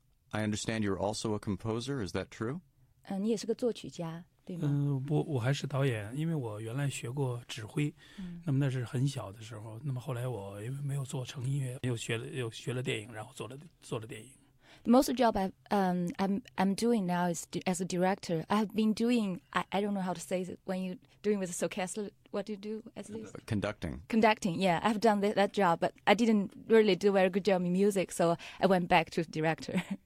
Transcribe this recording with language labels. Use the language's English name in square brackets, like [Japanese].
[English] I understand you're also a composer, is that true? [Chinese] 你也是个作曲家，对吗？我还是导演，因为我原来学过指挥，那么那是很小的时候，那么后来我因为没有做成音乐，又学了电影，然后做了电影。 [English] Most job I'm doing now is as a director. I have been doing, I don't know how to say it, when you're doing with a orchestra, what do you do as this? Conducting. Conducting, yeah. I've done that job, but I didn't really do a very good job in music, so I went back to director.